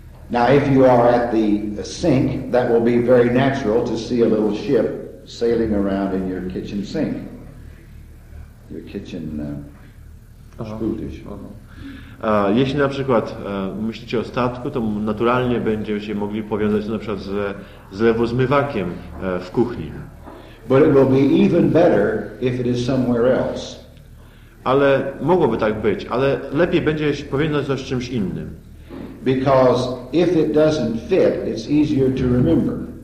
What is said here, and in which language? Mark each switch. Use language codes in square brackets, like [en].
[en] Now if you are at the sink, that will be very natural to see a little ship sailing around in your kitchen sink. Your kitchen spółdzisz. [pl] Jeśli na przykład myślicie o statku, to naturalnie będziecie mogli powiązać na przykład z lewozmywakiem w kuchni. [en] But it will be even better if it is somewhere else. [pl] Ale mogłoby tak być, ale lepiej będzie się powiązać to z czymś innym. [en] Because if it doesn't fit, it's easier to remember.